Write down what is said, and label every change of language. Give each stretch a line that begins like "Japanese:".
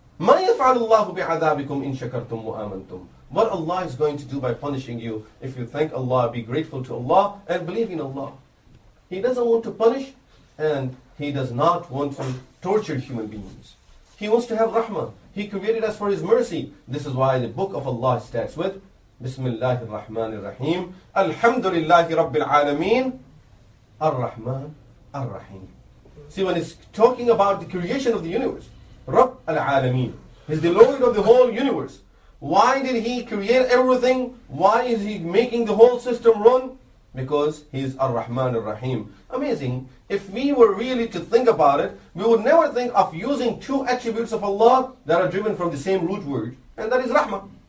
Arabic: مَا يَفْعَلُ اللَّهُ بِعَذَابِكُمْ إِن شَكَرْتُمْ وَآمَنْتُمْ.
English: What Allah is going to do by punishing you if you thank Allah, be grateful to Allah and believe in Allah. He doesn't want to punish and He does not want to torture human beings. He wants to have rahmah. He created us for His mercy. This is why the book of Allah starts with
Arabic: بسم الله الرحمن الرحيم الحمد لله رب العالمين الرحمن الرحيم.
English: See, when it's talking about the creation of the universe,
Arabic: رب العالمين,
English: He's the Lord of the whole universe. Why did He create everything? Why is He making the whole system run? Because He's الرحمن الرحيم. Amazing. If we were really to think about it, we would never think of using two attributes of Allah that are driven from the same root word, and that is rahmah.